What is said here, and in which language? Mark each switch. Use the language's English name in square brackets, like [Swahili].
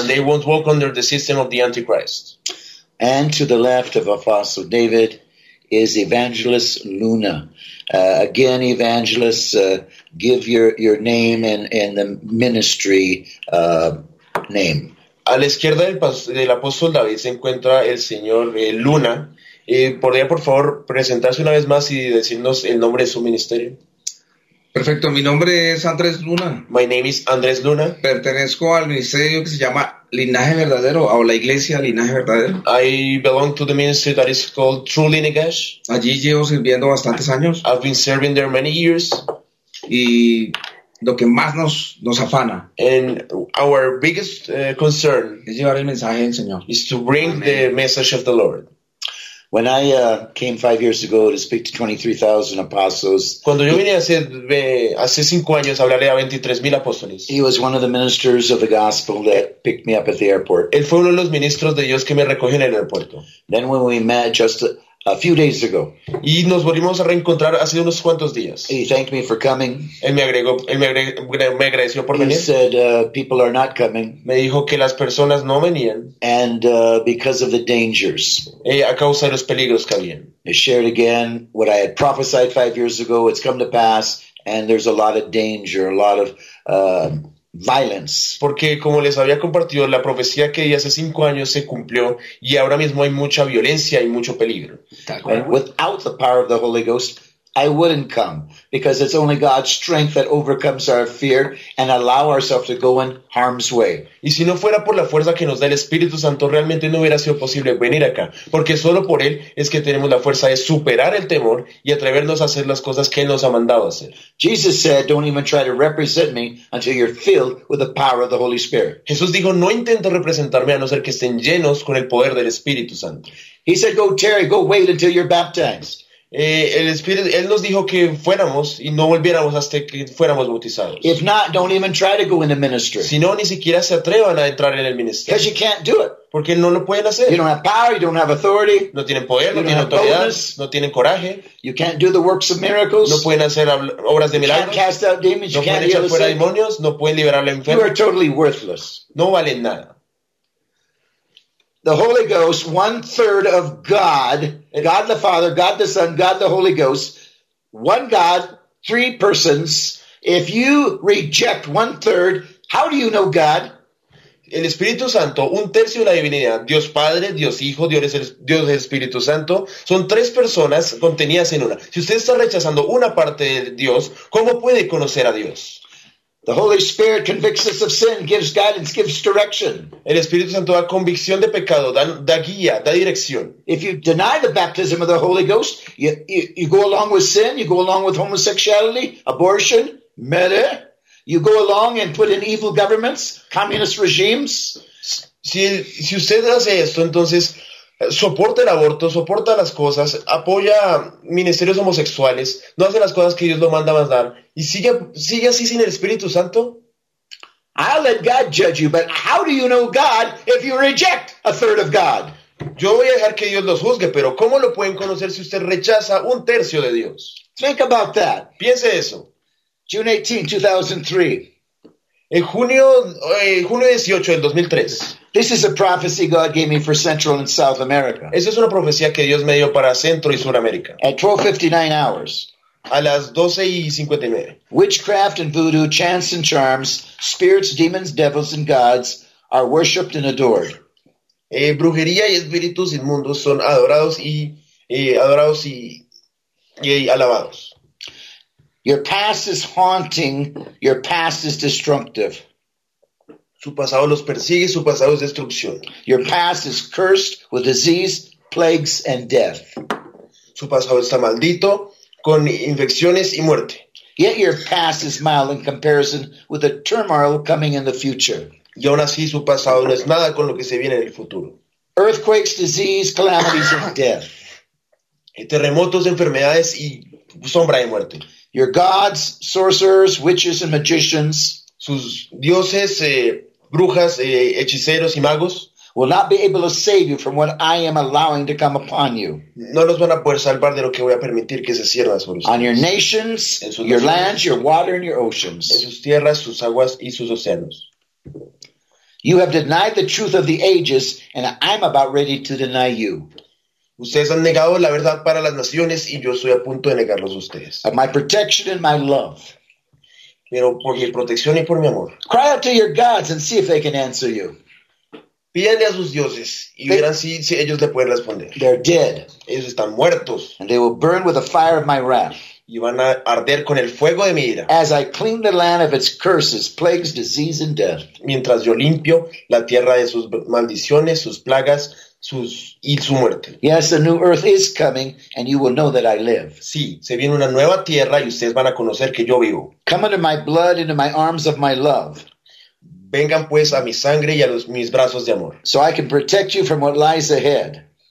[English] And they won't walk under the system of the Antichrist. And to the left of Apostle David is Evangelist Luna. Again, Evangelist, give your name and the ministry name. [Spanish] A la izquierda del apóstol David se encuentra el señor Luna. ¿Podría, por favor, presentarse una vez más y decirnos el nombre de su ministerio? Perfecto. Mi nombre es Andrés Luna. [English] My name is Andrés Luna. [Spanish] Pertenezco al ministerio que se llama Linaje Verdadero, o la iglesia Linaje Verdadero. [English] I belong to the ministry that is called True Lineage. [Spanish] Allí llevo sirviendo bastantes años. [English] I've been serving there many years. [Spanish] Y lo que más nos afana. [English] And our biggest concern [Spanish] es llevar el mensaje del Señor. [English] Is to bring Amen. The message of the Lord. When I came 5 years ago to speak to 23,000 apostles, [Spanish] cuando yo vine hace 5 años, hablaré a 23,000 apóstoles. [English] He was one of the ministers of the gospel that picked me up at the airport. [Spanish] Él fue uno de los ministros de Dios que me recogió en el aeropuerto. [English] Then when we met just a few days ago, [Spanish] y nos volvimos a reencontrar hace unos cuantos días. [English] He thanked me for coming. [Spanish] Él me agradeció por venir. [English] He said people are not coming. [Spanish] Me dijo que las personas no venían. [English] And because of the dangers. [Spanish] A causa de los peligros que habían. [English] I shared again what I had prophesied 5 years ago. It's come to pass, and there's a lot of danger, a lot of violence. [Spanish] Porque como les había compartido, la profecía que di hace 5 años se cumplió y ahora mismo hay mucha violencia y mucho peligro. [English] And without the power of the Holy Ghost, I wouldn't come, because it's only God's strength that overcomes our fear and allow ourselves to go in harm's way. [Spanish] Y si no fuera por la fuerza que nos da el Espíritu Santo, realmente no hubiera sido posible venir acá, porque solo por él es que tenemos la fuerza de superar el temor y atrevernos a hacer las cosas que él nos ha mandado hacer. [English] Jesus said, "Don't even try to represent me until you're filled with the power of the Holy Spirit." [Spanish] Jesús dijo, "No intenten representarme a no ser que estén llenos con el poder del Espíritu Santo." [English] He said, "Go tarry, go wait until you're baptized." [Spanish] El Espíritu, él nos dijo que fuéramos y no volviéramos hasta que fuéramos bautizados. [English] If not, don't even try to go in the ministry. [Spanish] Si no, ni siquiera se atrevan a entrar en el ministerio. [English] Because you can't do it. [Spanish] Porque no lo pueden hacer. [English] You don't have power, you don't have authority. [Spanish] No tienen poder, no tienen autoridad, no tienen coraje. [English] You can't do the works of miracles. [Spanish] No pueden hacer obras de milagros. [English] You can't cast out demons. [Spanish] No pueden echar fuera demonios, no pueden liberar a la enferma. [English] You are totally worthless. [Spanish] No valen nada. [English] The Holy Ghost, one third of God, God the Father, God the Son, God the Holy Ghost, one God, three persons. If you reject one third, how do you know God? [Spanish] El Espíritu Santo, un tercio de la divinidad, Dios Padre, Dios Hijo, Dios Espíritu Santo, son tres personas contenidas en una. Si usted está rechazando una parte de Dios, ¿cómo puede conocer a Dios? [English] The Holy Spirit convicts us of sin, gives guidance, gives direction. [Spanish] El Espíritu Santo da convicción de pecado, da guía, da dirección. [English] If you deny the baptism of the Holy Ghost, you go along with sin, you go along with homosexuality, abortion, murder. You go along and put in evil governments, communist regimes. [Spanish] Si usted hace esto, entonces soporta el aborto, soporta las cosas, apoya ministerios homosexuales, no hace las cosas que Dios lo manda a mandar, y sigue así sin el Espíritu Santo. [English] I'll let God judge you, but how do you know God if you reject a third of God? [Spanish] Yo voy a dejar que Dios los juzgue, pero ¿cómo lo pueden conocer si usted rechaza un tercio de Dios? [English] Think about that. [Spanish] Piense eso. [English] June 18, 2003. [Spanish] En junio 18 del 2003. [English] This is a prophecy God gave me for Central and South America. [Spanish] Esa es una profecía que Dios me dio para Centro y Suramérica. [English] At 12:59 hours. [Spanish] A las 12:59. [English] Witchcraft and voodoo, chants and charms, spirits, demons, devils and gods are worshipped and adored. [Spanish] Brujería y espíritus inmundos son adorados y alabados. [English] Your past is haunting, your past is destructive. [Spanish] Su pasado los persigue, su pasado es destrucción. [English] Your past is cursed with disease, plagues, and death. [Spanish] Su pasado está maldito con infecciones y muerte. [English] Yet your past is mild in comparison with the turmoil coming in the future. [Spanish] Y aún así su pasado no es nada con lo que se viene en el futuro. [English] Earthquakes, disease, calamities, and death. [Spanish] Terremotos, enfermedades y sombra de muerte. [English] Your gods, sorcerers, witches, and magicians. [Spanish] Sus dioses, brujas, hechiceros y magos [English] will not be able to save you from what I am allowing to come upon you. [Spanish] No los van a poder salvar de lo que voy a permitir que se cierra sobre ustedes. [English] On your nations, your lands, your water, and your oceans. [Spanish] En sus tierras, sus aguas y sus océanos. [English] You have denied the truth of the ages, and I'm about ready to deny you. [Spanish] Ustedes han negado la verdad para las naciones y yo estoy a punto de negarlos a ustedes. [English] Of my protection and my love. [Spanish] Pero por mi protección y por mi amor. [English] Cry out to your gods and see if they can answer you. [Spanish] Pídanle a sus dioses y verán si ellos le pueden responder. [English] They're dead. [Spanish] Ellos están muertos. [English] And they will burn with the fire of my wrath. [Spanish] Y van a arder con el fuego de mi ira. [English] As I clean the land of its curses, plagues, disease, and death. [Spanish] Mientras yo limpio la tierra de sus maldiciones, sus plagas, y su muerte. [English] Yes, a new earth is coming, and you will know that I live. [Spanish] Sí, se viene una nueva tierra y ustedes van a conocer que yo vivo. [English] Come into my blood, into my arms of my love. [Spanish] Vengan pues a mi sangre y a mis brazos de amor. [English] So I can protect you from what lies ahead.